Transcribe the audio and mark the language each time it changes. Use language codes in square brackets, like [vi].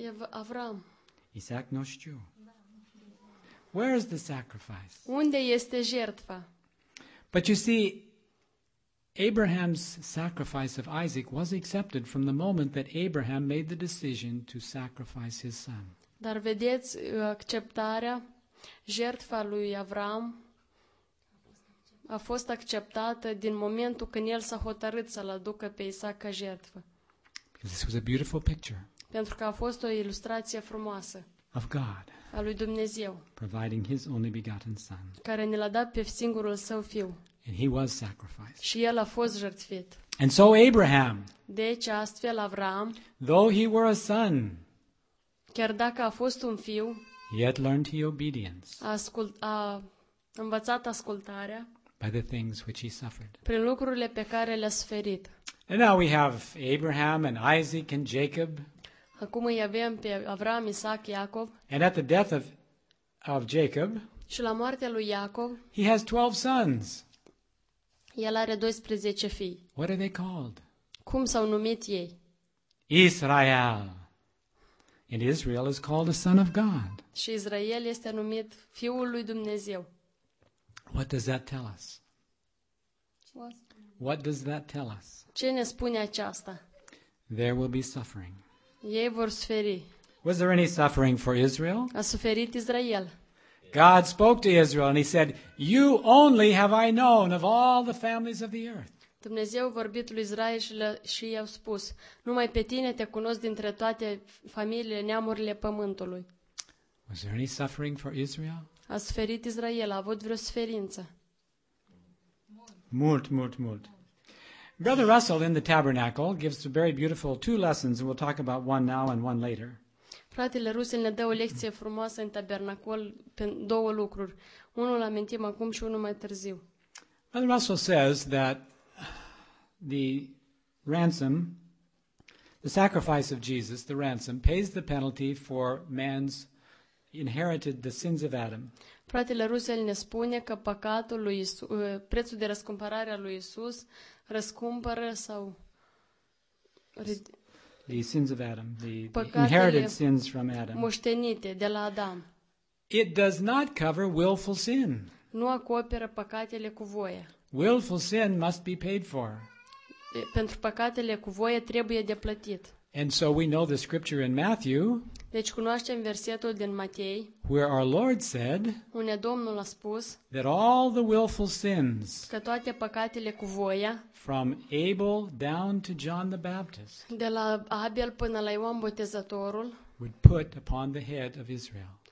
[ro] Avram. Isaac nu știu. [en] Where is the sacrifice? [ro] Unde este jertfa? [en] But you see, Abraham's sacrifice of Isaac was accepted from the moment that Abraham made the decision to sacrifice his son. [ro] Dar vedeți acceptarea jertfa lui Avram a fost acceptată din momentul când el s-a hotărât să-l aducă pe Isaac ca jertfă. [en] Because this was a beautiful picture. [ro] Pentru că a fost o ilustrație frumoasă. [en] Of God. [ro] A lui Dumnezeu. [en] Providing his only begotten son. [ro] Care ne l-a dat pe singurul său fiu. [en] And he was sacrificed. [ro] Și el a fost jertfit. [en] And so Abraham. [ro] Deci astfel Avram. [en] Though he were a son. [ro] Chiar dacă a fost un fiu. [en] Yet learned he obedience. [ro] A învățat ascultarea. [en] By the things which he suffered. [ro] Prin lucrurile pe care le-a suferit. [en] And now we have Abraham and Isaac and Jacob. [ro] Acum îi avem pe Avram, Isaac, Iacov. [en] And at the death of Jacob. [ro] Și la moartea lui Iacov. [en] He has 12 sons. [ro] El are 12 fii. [en] What are they called? [ro] Cum s-au numit ei? [en] Israel. And Israel is called a son of God. [ro] Și Israel este numit fiul lui Dumnezeu. [en] What does that tell us? What does that tell us? [ro] Ce ne spune aceasta? [en] There will be suffering. [ro] Ei vor suferi. [en] Was there any suffering for Israel? [ro] A suferit Israel. [en] God spoke to Israel and he said, "You only have I known of all the families of the earth." [ro] Dumnezeu a vorbit lui Israel și i-a spus: "Numai pe tine te cunosc dintre toate familiile, neamurile pământului." [en] Was there any suffering for Israel? [ro] A suferit Israel, a avut vreo suferință? Mult, mult, mult. [en] Brother Russell in the Tabernacle gives a very beautiful two lessons and we'll talk about one now and one later. [ro] Fratele Russell ne dă o lecție frumoasă în tabernacol pe două lucruri. Unul amintim acum și unul mai târziu. [en] Brother Russell says that the ransom, the sacrifice of Jesus, the ransom, pays the penalty for man's inherited the sins of Adam. [ro] Fratele Russell ne spune că păcatul lui Isus, prețul de răscumpărare a lui Isus răscumpără sau [en] the sins of Adam, the inherited sins from Adam. [ro] Moștenite de la Adam. [en] It does not cover willful sin. [ro] Nu acoperă păcatele cu voie. [en] Willful sin must be paid for. [ro] Pentru păcatele cu voie trebuie de plătit. [en] And so we know the scripture in Matthew. [ro] Deci cunoaștem versetul din Matei. [en] Where our Lord said. [ro] Unde Domnul a spus. [en] That all the willful sins. [ro] Că toate păcatele cu voia. [en] From Abel down to John the Baptist. [ro] De la Abel până la Ioan Botezătorul. [en] Would put upon the head of Israel.